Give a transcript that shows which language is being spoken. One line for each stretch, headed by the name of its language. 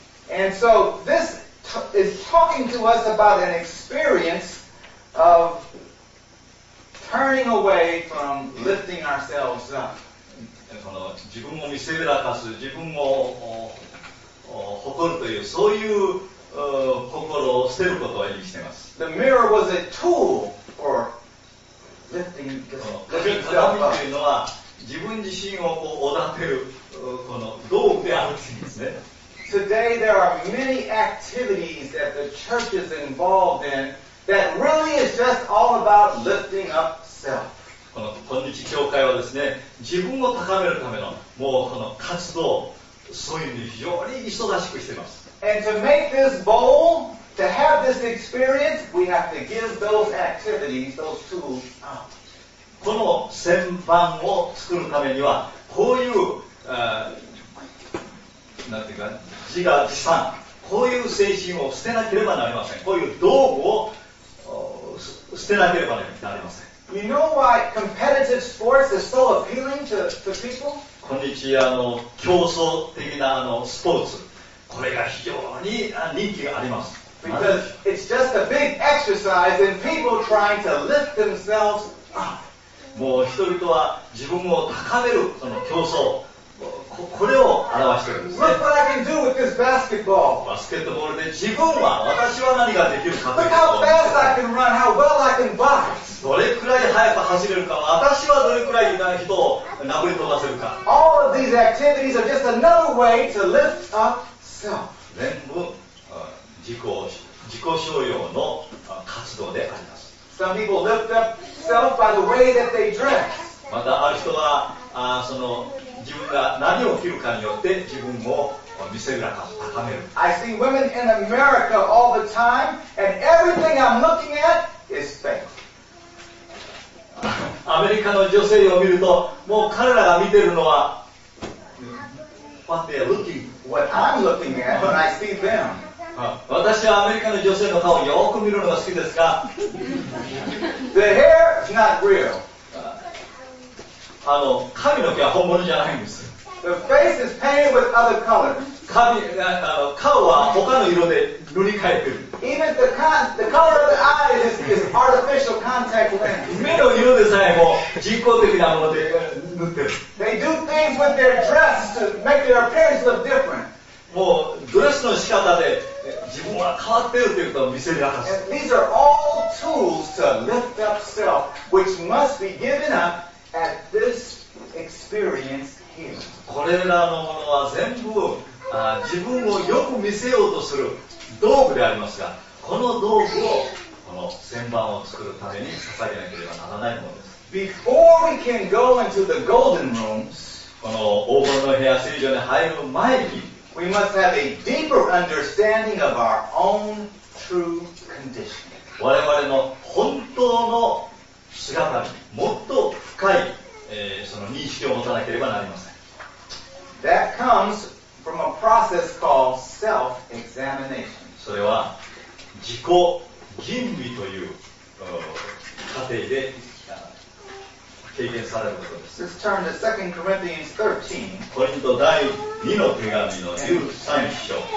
English: And so this is talking to us about an experience of turning away from lifting ourselves up.
Japanese: この自分を見せびらかす、自分を誇るというそういう心を捨てることを意味しています。
English: The mirror was a tool for lifting yourself up.
Japanese: この鏡というのは自分自身をこうおだてるこの道具であるというんですね。
English: Today there are many activities that the church is involved in that really is just all about lifting up self.
Japanese: この今日教会はですね、自分を高めるためのもうこの活動そういうのに非常に忙しくしています。
English: And to make this bold, to have this experience, we have to give those activities, those tools out.
Japanese: この旋盤を作るためにはこういう、なんていうか自画自賛こういう精神を捨てなければなりません。こういう道具を捨てなければなりません。
English: You know why competitive sports is so appealing to people?
Japanese: 今日あの競争的なあのスポーツこれが非常に人気があります。
English: Because it's just a big exercise and people trying to lift themselves up.
Japanese: もう人々は自分を高めるその競争これを表しているんですね。
English: Look what I can do with this basketball.
Japanese: バスケットボールで自分は私は何ができるかという
English: と Look how fast I can run, how well I can box.
Japanese: どれくらい速く走れるか私はどれくらい人を殴り飛ばせるか。
English: All of these activities are just another way to lift up self.
Japanese: 全部自己商用の活動であります。
English: Some people lift up self by the way that they dress.
Japanese: またある人はその自分が何を着るかによって自分を見せびらかす、高める。
English: I see women in America all the time, and everything I'm looking at is fake.
Japanese: アメリカの女性を見ると、もう彼らが見てるのは、
English: What they are looking at. What I'm looking at when I see them.
Japanese: 私はアメリカの女性の顔をよく見るのが好きですが、
English: The hair is not real.
Japanese: あの髪の毛は本物じゃないんです。
English: The face is painted with other colors.
Japanese: 顔は他の色で塗り替えてる。
English: Even the color of the eyes is artificial contact lens.
Japanese: 目の色でさえも人工的なもので塗ってる。
English: They do things with their dress to make their appearance look different.
Japanese: もうドレスの仕方で自分は変わってるということを見せびらかす。
English: And these are all tools to lift up self, which must be given up. At this experience here.
Japanese: これらのものは全部自分をよく見せようとする道具でありますが、この道具をこの旋盤を作るために捧げなければならないものです。
English: Before we can go into the golden rooms,
Japanese: この黄金の部屋聖所に入る前に、
English: we must have a deeper understanding of our own true condition.
Japanese: 我々の本当の姿にもっと深い、その認識を持たなければなりません。
English: That comes from a process called self-examination.
Japanese: それは自己吟味という過程で経験されることです。
English: Let's turn to 2 Corinthians 13.
Japanese: コリント第2の手紙の13章。